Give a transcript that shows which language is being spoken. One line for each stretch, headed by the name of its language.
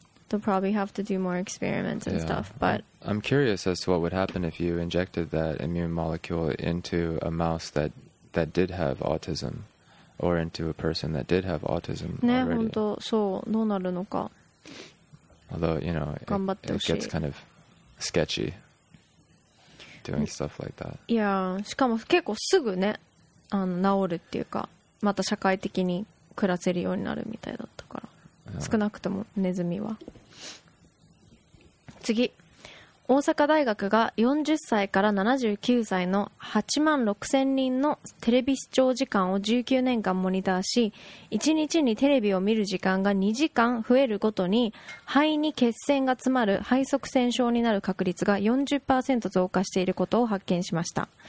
English: They'll probably have to do more experiments and stuff, but... I'm curious as to what would happen if you injected that immune molecule into a mouse that did have autism, or into a person that did have autism already.
Japanese: ね、本当、そう、どうなるのか。
English: Although, you know, it gets kind of sketchy doing stuff like that.
Japanese: Yeah, しかも結構すぐね、治るっていうか、また社会的に暮らせるようになるみたいだったから。少なくともネズミは。次、大阪大学が40歳から79歳の8万6000人のテレビ視聴時間を19年間モニターし、1日にテレビを見る時間が2時間増えるごとに肺に血栓が詰まる肺塞栓症になる確率が 40% 増加していることを発見しました。